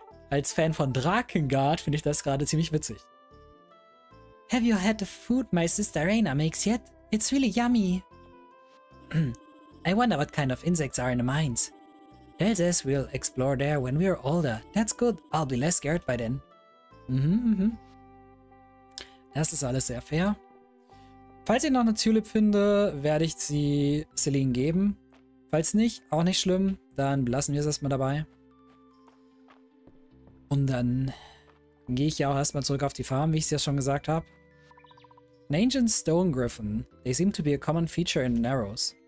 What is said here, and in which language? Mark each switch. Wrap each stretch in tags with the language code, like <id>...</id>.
<de>Als Fan von Drakengard finde ich das gerade ziemlich witzig.</de> <en>Have you had the food my sister Raina makes yet? It's really yummy. I wonder what kind of insects are in the mines. Dell says we'll explore there when we're older. That's good. I'll be less scared by then.</en> <de>Das ist alles sehr fair. Falls ich noch eine Tulip finde, werde ich sie Celine geben. Falls nicht, auch nicht schlimm. Dann belassen wir es erstmal dabei. Und dann gehe ich ja auch erstmal zurück auf die Farm, wie ich es ja schon gesagt habe.</de> <en>An ancient stone griffin. They seem to be a common feature in Narrows.</en>